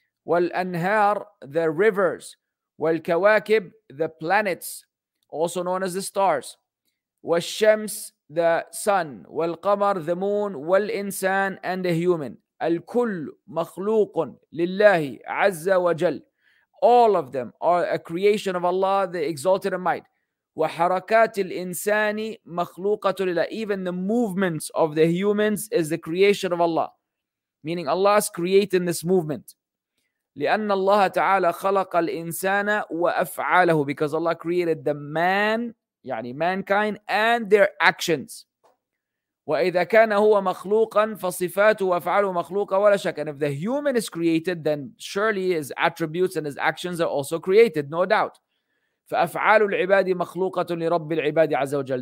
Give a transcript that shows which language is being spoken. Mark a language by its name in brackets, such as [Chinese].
[English] والأنهار, the rivers. والكواكب, the planets, also known as the stars. والشمس, the sun. والقمر, the moon. [Arabic] والإنسان, [English] and the human. [Arabic] الكل مخلوق لله عز وجل. [English] All of them are a creation of Allah, the Exalted and Might. [Arabic] وحركات الإنسان مخلوقة لله. [English] Even the movements of the humans is the creation of Allah. Meaning Allah is creating this movement. [Arabic] لأن الله تعالى خلق الإنسان وأفعاله. [English] Because Allah created the man, يعني mankind, and their actions. [Arabic] وَإِذَا كَانَ هُوَ مَخْلُوقًا فَصِفَاتُهُ وَأَفْعَالُهُ مَخْلُوقًا وَلَا شَكَ. [English] And if the human is created, then surely his attributes and his actions are also created, no doubt. [Arabic] فَأَفْعَالُ الْعِبَادِ مَخْلُوقَةٌ لِرَبِّ الْعِبَادِ عَزَّ وَجَلَّ.